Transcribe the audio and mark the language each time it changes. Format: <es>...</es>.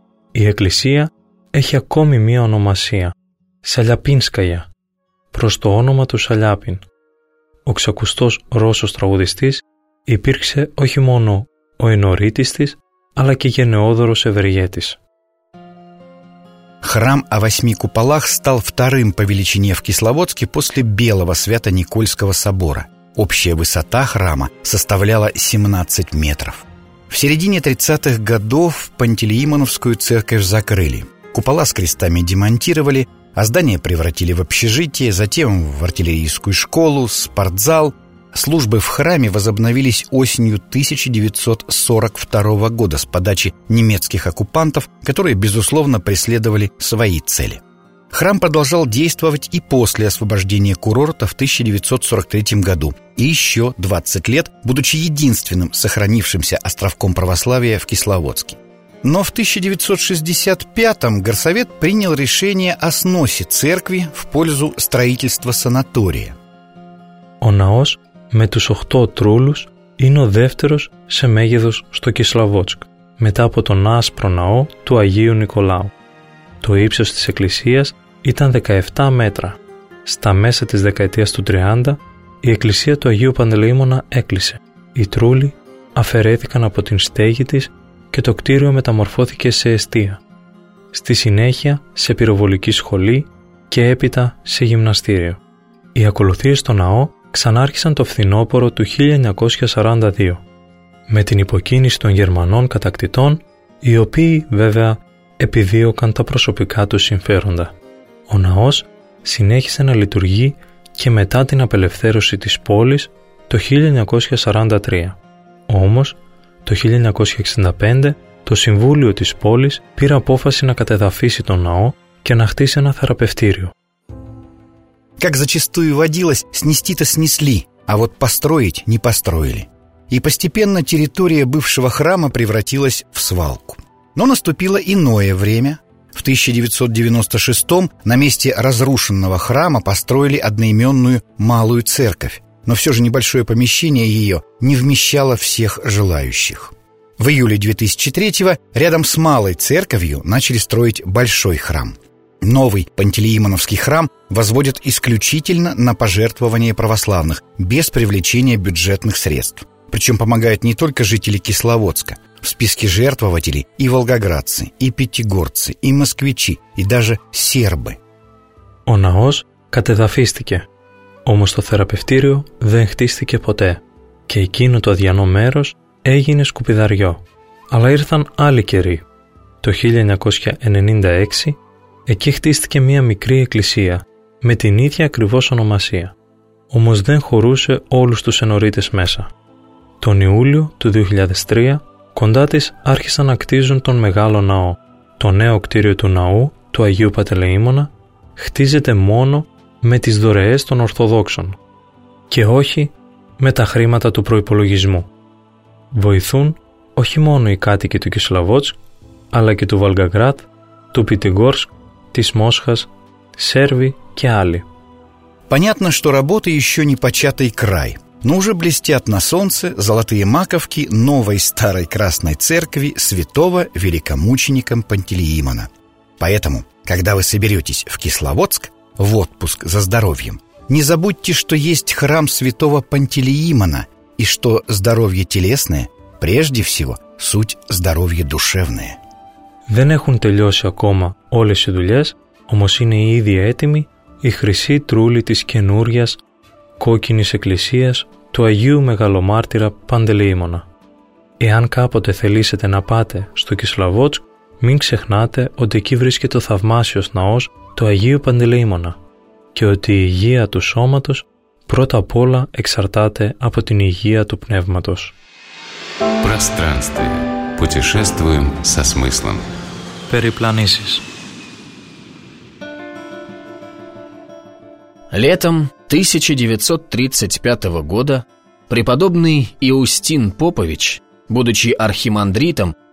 <el>Η εκκλησία έχει ακόμη μία ονομασία, Σαλιαπίνσκαγια, προς το όνομα του Σαλιάπιν. Ο ξακουστός Ρώσος τραγουδιστής υπήρξε όχι μόνο ο ενορίτης της, αλλά και γενναιόδωρος ευεργέτης.</el> <ru>Храм о восьми куполах стал вторым по величине в Кисловодске после Белого Свято-Никольского собора. Общая высота храма составляла 17 метров. В середине 30-х годов Пантелеимоновскую церковь закрыли. Купола с крестами демонтировали, а здание превратили в общежитие, затем в артиллерийскую школу, спортзал. Службы в храме возобновились осенью 1942 года с подачи немецких оккупантов, которые, безусловно, преследовали свои цели. Храм продолжал действовать и после освобождения курорта в 1943 году, и еще 20 лет, будучи единственным сохранившимся островком православия в Кисловодске. Но в 1965-м горсовет принял решение о сносе церкви в пользу строительства санатория.</ru> <el>Ο ναός με τους 8 τρούλους είναι ο δεύτερος σε μέγεθος στο Κισλαβότσκ, μετά από τον άσπρο ναό του Αγίου Νικολάου. Το ύψος της εκκλησίας ήταν 17 μέτρα. Στα μέσα της δεκαετίας του 30, η εκκλησία του Αγίου Παντελεήμονα έκλεισε. Οι τρούλοι αφαιρέθηκαν από την στέγη της και το κτίριο μεταμορφώθηκε σε εστία. Στη συνέχεια σε πυροβολική σχολή και έπειτα σε γυμναστήριο. Οι ακολουθίες στο ναό ξανάρχισαν το φθινόπωρο του 1942 με την υποκίνηση των Γερμανών κατακτητών, οι οποίοι βέβαια επιδίωκαν τα προσωπικά τους συμφέροντα. Ο ναός συνέχισε να λειτουργεί και μετά την απελευθέρωση της πόλης το 1943. Όμως, το 1965 το Συμβούλιο της πόλης πήρε απόφαση να κατεδαφίσει τον ναό και να χτίσει ένα θεραπευτήριο.</el> <ru>Как зачастую водилось, снести-то снесли, а вот построить не построили. И постепенно территория бывшего храма превратилась в свалку. Но наступило иное время. В 1996-м на месте разрушенного храма построили одноименную Малую Церковь, но все же небольшое помещение ее не вмещало всех желающих. В июле 2003-го рядом с Малой Церковью начали строить Большой храм. Новый Пантелеимоновский храм возводят исключительно на пожертвования православных, без привлечения бюджетных средств. Причем помогают не только жители Кисловодска. В списке жертвователей и волгоградцы, и пятигорцы, и москвичи, и даже сербы.</ru> <el>Ο ναός κατεδαφίστηκε, όμως το θεραπευτήριο δεν χτίστηκε ποτέ και εκείνο το αδιανό μέρος έγινε σκουπιδαριό. Αλλά ήρθαν άλλοι καιροί. Το 1996 εκεί χτίστηκε μία μικρή εκκλησία με την ίδια ακριβώς ονομασία. Όμως δεν χωρούσε όλους τους ενορίτες μέσα. Τον Ιούλιο του 2003 κοντά της άρχισαν να κτίζουν τον μεγάλο ναό. Το νέο κτίριο του ναού του Αγίου Παντελεήμονα χτίζεται μόνο με τις δωρεές των Ορθοδόξων και όχι με τα χρήματα του προϋπολογισμού. Βοηθούν όχι μόνο οι κάτοικοι του Κισλαβότσκ αλλά και του Βολγκογράδ, του Πιτιγκόρσκ, της Μόσχας, Σέρβη και άλλοι.</el> <ru>Понятно, что работы еще не початый край, но уже блестят на солнце золотые маковки новой старой красной церкви святого великомученика Пантелеимона. Поэтому, когда вы соберетесь в Кисловодск в отпуск за здоровьем, не забудьте, что есть храм святого Пантелеимона и что здоровье телесное, прежде всего, суть здоровья душевное.</ru> <el>Δεν έχουν τελειώσει ακόμα όλες οι δουλειές, όμως είναι ήδη έτοιμη η χρυσή τρούλη της καινούργιας κόκκινης εκκλησίας του Αγίου Μεγαλομάρτυρα Παντελεήμονα. Εάν κάποτε θελήσετε να πάτε στο Κισλαβότσκ, μην ξεχνάτε ότι εκεί βρίσκεται ο θαυμάσιος ναός του Αγίου Παντελεήμονα και ότι η υγεία του σώματος πρώτα απ' όλα εξαρτάται από την υγεία του πνεύματος.</el> <ru>Пространствие. Путешествуем со смыслом.</ru> <el>Перепланисис.</el> <ru>Летом 1935 года преподобный Иустин Попович, будучи архимандритом,</ru>